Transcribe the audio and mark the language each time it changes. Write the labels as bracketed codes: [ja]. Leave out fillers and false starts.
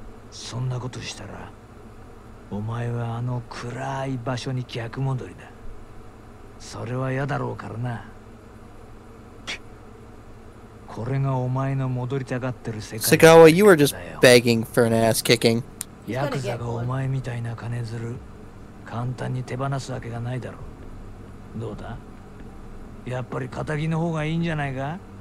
[ja] そんなことしたらお前はあの暗い場所に逆戻りだ。それは嫌だろうからな。これがお前の戻りたがってる世界だよ。 [en] Sagawa, you were just begging for an ass kicking. [ja] ヤクザがお前みたいな金づる簡単に手放すわけがないだろう。どうだ、やっぱり仇の方がいいんじゃないか。